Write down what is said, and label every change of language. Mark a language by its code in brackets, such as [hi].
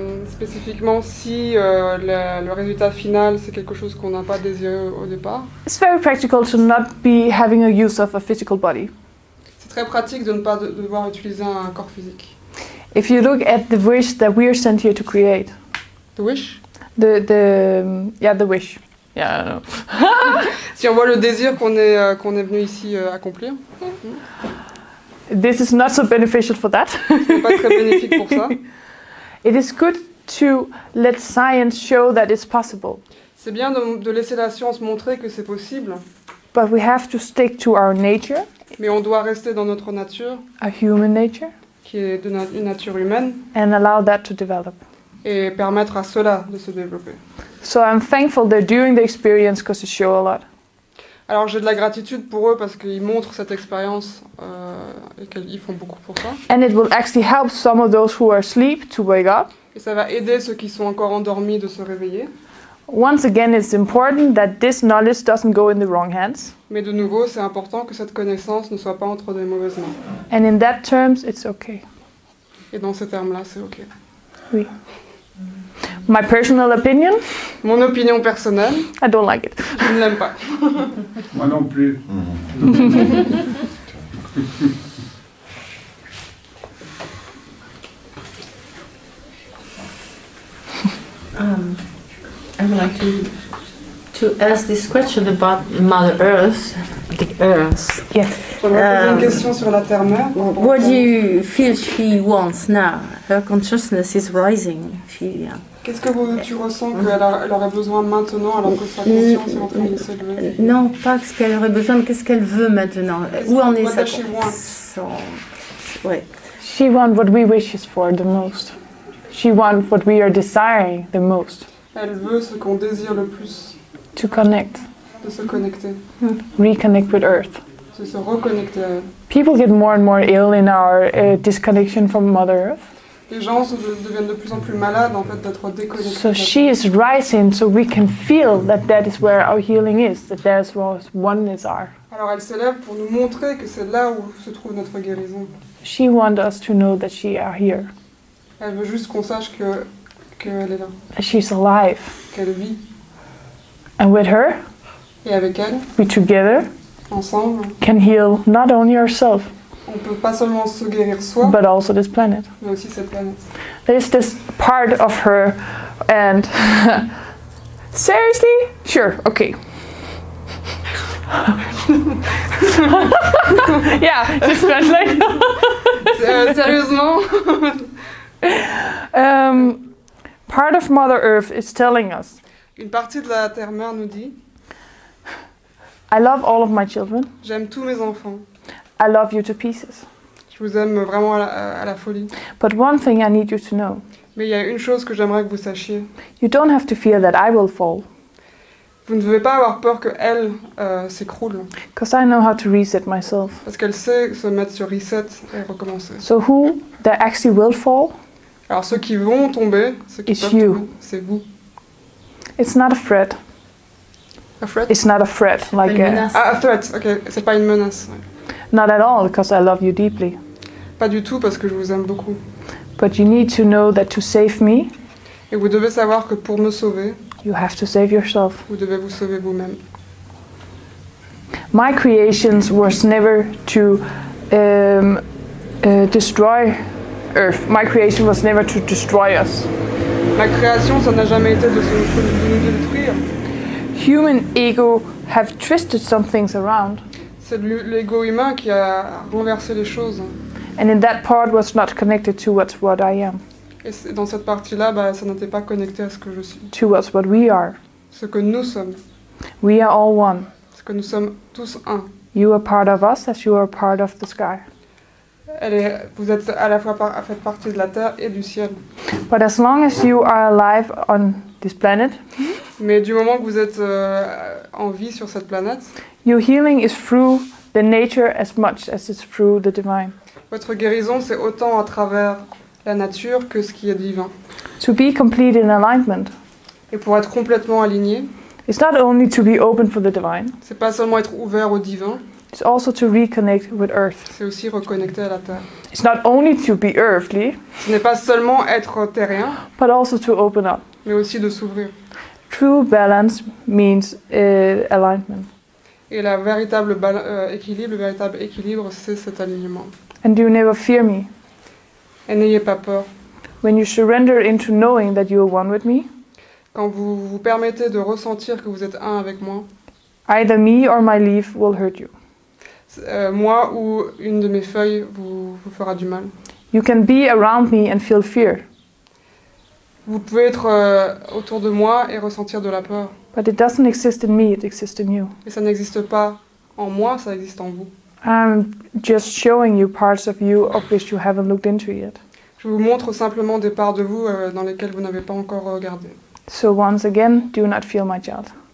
[fr] Spécifiquement si le résultat final c'est quelque chose qu'on n'a pas désiré au départ. [en] It's very practical to not be having a use of a physical body. [fr] C'est très pratique de ne pas devoir utiliser un corps physique. [en] If you look at the wish that we are sent here to create. The wish? The wish. Yeah, I don't know. [fr] Si on voit le désir qu'on est venu ici accomplir. [en] This is not so beneficial for that. [fr] C'est pas très bénéfique pour ça. [en] It is good to let science show that it's possible. [fr] C'est bien de laisser la science montrer que c'est possible. [en] But we have to stick to our nature. [fr] Mais on doit rester dans notre nature. [en] A human nature. [fr] Qui est de une nature humaine. [en] And allow that to develop. [fr] Et permettre à cela de se développer. [en] So I'm thankful they're doing the experience because it shows a lot. [fr] Alors j'ai de la gratitude pour eux parce qu'ils montrent cette expérience et qu'ils font beaucoup pour ça. [en] And it will actually help some of those who are asleep to wake up. [fr] Et ça va aider ceux qui sont encore endormis de se réveiller. [en] Once again, it's important that this knowledge doesn't go in the wrong hands. [fr] Mais de nouveau, c'est important que cette connaissance ne soit pas entre des mauvaises mains. [en] And in that terms, it's okay. [fr] Et dans ces termes-là, c'est ok. [en] Oui. My personal opinion. [fr] Mon opinion personnelle. [en] I don't like it. [fr] Je ne l'aime pas. Moi non plus. [en] I'd like to ask this question about Mother Earth. The Earth. Yes. [fr] Une question sur la Terre Mère. [en] What do you feel she wants now? Her consciousness is rising. [fr] Qu'est-ce que tu ressens qu'elle aurait besoin maintenant alors que sa conscience est en train de s'élever? Non, pas ce qu'elle aurait besoin, mais qu'est-ce qu'elle veut maintenant? Où en est sa conscience? Ouais. [en] She wants what we wish for the most. She wants what we are desiring the most. [fr] Elle veut ce qu'on désire le plus. [en] To connect. [fr] De se connecter. [en] Reconnect with Earth. [fr] De se reconnecter. [en] People get more and more ill in our disconnection from Mother Earth. [fr] Les gens deviennent de plus en plus malades en fait d'être déconnectés. [en] So she is rising, so we can feel that that is where our healing is, that that is where oneness are. [fr] Alors elle s'élève pour nous montrer que c'est là où se trouve notre guérison. [en] She wants us to know that she are here. [fr] Elle veut juste qu'on sache qu'elle est là. [en] She's alive. [fr] Qu'elle vit. [en] And with her. [fr] Et avec elle. [en] We together. [fr] Ensemble. [en] Can heal not only ourselves. [fr] On peut pas seulement se guérir soi, [en] but also this planet. [fr] Mais aussi cette planète. [en] There's this part of her, and seriously, sure, okay. Yeah, just translate. [fr] Sérieusement. [en] Part of Mother Earth is telling us. [fr] Une partie de la Terre Mère nous dit. [en] I love all of my children. [fr] J'aime tous mes enfants. [en] I love you to pieces. [fr] Je vous aime vraiment à la folie. [en] But one thing I need you to know. [fr] Mais il y a une chose que j'aimerais que vous sachiez. [en] You don't have to fear that I will fall. [fr] Vous ne devez pas avoir peur que elle s'écroule. [en] Because I know how to reset myself. [fr] Parce qu'elle sait se mettre sur reset et recommencer. [en] So who that actually will fall? [fr] Alors ceux qui vont tomber, ceux qui peuvent tomber, c'est vous. [en] It's not a threat. A threat? It's not a threat. Like a threat. Okay, [fr] c'est pas une menace. [en] Not at all, because I love you deeply. [fr] Pas du tout, parce que je vous aime beaucoup. [en] But you need to know that to save me. [fr] Et vous devez savoir que pour me sauver. [en] You have to save yourself. [fr] Vous devez vous sauver vous-même. [en] My creations was never to destroy Earth. My creation was never to destroy us. [fr] Ma création, ça n'a jamais été de nous détruire. [en] Human ego have twisted some things around. [fr] C'est l'ego humain qui a renversé les choses. [en] And in that part was not connected to what I am. [fr] Et dans cette partie-là, ça n'était pas connecté à ce que je suis. [en] To what we are. [fr] Ce que nous sommes. [en] We are all one. [fr] Ce que nous sommes tous un. [en] You are part of us as you are part of the sky. [fr] Vous êtes à la fois faites partie de la terre et du ciel. [en] But as long as you are alive on this planet. [fr] Mais du moment que vous êtes en vie sur cette planète. [en] Your healing is through the nature as much as it's through the divine. [fr] Votre guérison c'est autant à travers la nature que ce qui est divin. [en] To be complete in alignment. [fr] Et pour être complètement aligné. [en] It's not only to be open for the divine. [fr] C'est pas seulement être ouvert au divin. [en] It's also to reconnect with Earth. [fr] C'est aussi reconnecter à la terre. [en] It's not only to be earthly. [fr] Ce n'est pas seulement être terrien. [en] But also to open up. [fr] Mais aussi de s'ouvrir. [en] True balance means alignment. [fr] Et la véritable équilibre, le véritable équilibre, c'est cet alignement. [en] And do you never fear me? [fr] Et n'ayez pas peur. [en] When you surrender into knowing that you are one with me. [fr] Quand vous vous permettez de ressentir que vous êtes un avec moi. [en] Either me or my leaf will hurt you. [fr] Moi ou une de mes feuilles vous fera du mal. [en] You can be around me and feel fear. [fr] Vous pouvez être autour de moi et ressentir de la peur. [en] But it doesn't exist in me, it exists in you. [fr] Et ça n'existe pas en moi, ça existe en vous. [en] I'm just showing you parts of you of which you haven't looked into yet. [fr] Je vous montre simplement des parts de vous dans lesquelles vous n'avez pas encore regardé. [en] So once again, do not fear my child.